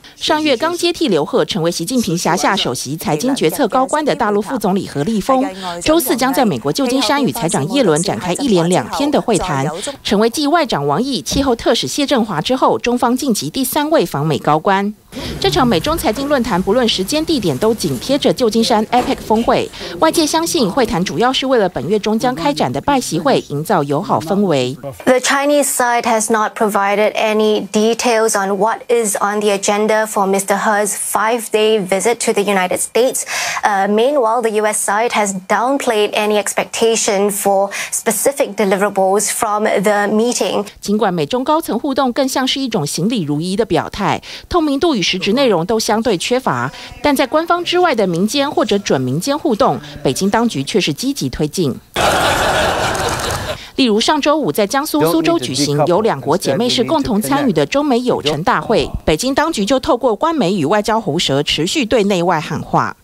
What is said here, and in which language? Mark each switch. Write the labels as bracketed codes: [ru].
[zh] 上月刚接替刘鹤成为习近平辖下首席财经决策高官的大陆副总理何立峰，周四将在美国旧金山与财长耶伦展开一连两天的会谈，成为继外长王毅、气候特使谢振华之后，中方近期第三位访美高官。这场美中财经论坛不论时间地点都紧贴着旧金山 APEC 峰会，外界相信会谈主要是为了本月中将开展的拜习会营造友好氛围。 [en] The Chinese side has not provided any details on what is on the agenda for Mr. He's five-day visit to the United States. Meanwhile, the US side has downplayed any expectation for specific deliverables from the meeting. [zh] 尽管美中高层互动更像是一种行礼如仪的表态，透明度与实质内容都相对缺乏，但在官方之外的民间或者准民间互动，北京当局却是积极推进。例如上周五在江苏苏州举行由两国姐妹市共同参与的中美友成大会，北京当局就透过官媒与外交喉舌持续对内外喊话。